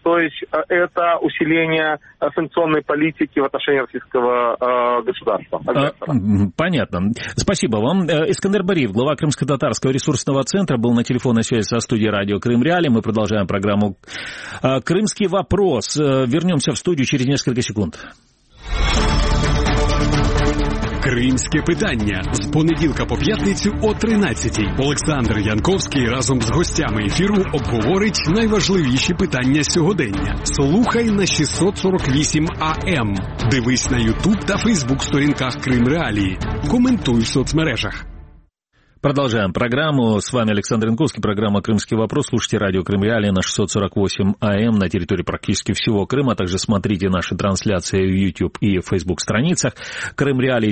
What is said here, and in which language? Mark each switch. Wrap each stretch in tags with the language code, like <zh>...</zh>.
<ru>То есть это усиление санкционной политики в отношении российского государства. Понятно. Спасибо вам. Искандер Бариев, глава Крымско-Татарского ресурсного центра, был на телефонной связи со студией радио «Крым Реали». Мы продолжаем программу «Крымский вопрос». Вернемся в студию через несколько секунд.</ru> <uk>Кримське питання з понеділка по п'ятницю о 13:00. Олександр Янковський разом з гостями ефіру обговорить найважливіші питання сьогодення. Слухай на 648 АМ. Дивись на YouTube та Facebook сторінках Крим Реалії. Коментуй в соцмережах.</uk> <ru>Продолжаем программу. С вами Александр Янковский, программа «Крымский вопрос». Слушайте радио «Крым Реалии» на 648 АМ на территории практически всего Крыма. Также смотрите наши трансляции в YouTube и Facebook страницах «Крым Реалии».</ru>